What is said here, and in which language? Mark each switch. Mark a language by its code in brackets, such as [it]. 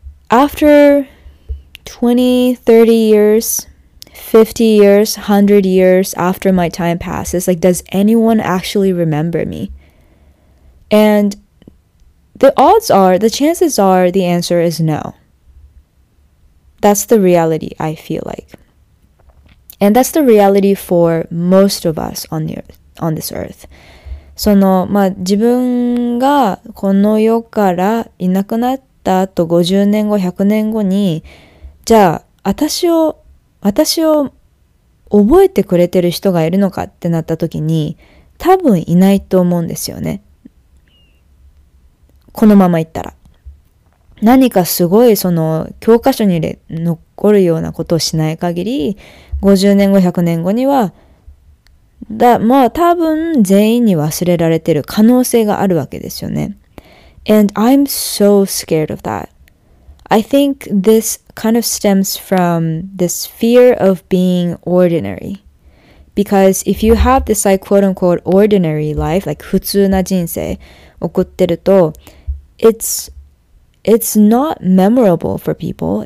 [en] after 20, 30 years, 50 years, 100 years after my time passes, like, does anyone actually remember me? And the chances are the answer is no. That's the reality, I feel like. And that's the reality for most of us on this earth. [ja] その、まあ、自分がこの世からいなくなった後、50年後、100年後に、じゃあ、私を覚えてくれてる人がいるのかってなった時に、多分いないと思うんですよね。このまま言ったら。何かすごいその教科書に残るようなことをしない限り、50年後、100年後には、まあ多分全員に忘れられてる可能性があるわけですよね。 [en] And I'm so scared of that. I think this kind of stems from this fear of being ordinary. Because if you have this like quote unquote ordinary life, like [ja] 普通な人生を送ってると、 [en] It's not memorable for people.